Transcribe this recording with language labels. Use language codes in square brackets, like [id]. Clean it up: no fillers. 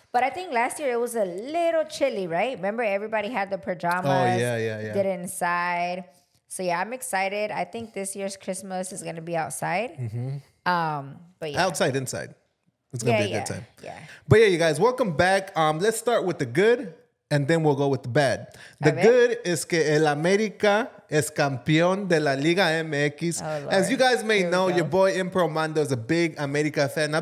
[en] But I think last year it was a little chilly, right? Remember, everybody had the pajamas. Oh, yeah. Did it inside. So, yeah, I'm excited. I think this year's Christmas is going to be outside. Outside, inside. It's going to be a good time. Yeah. But yeah, you guys, welcome back. Let's start with the good, and then we'll go with the bad. The good is [es] que el América es campeón de la Liga MX. [en] Oh, as you guys may know, your boy Impro Mando is a big América fan.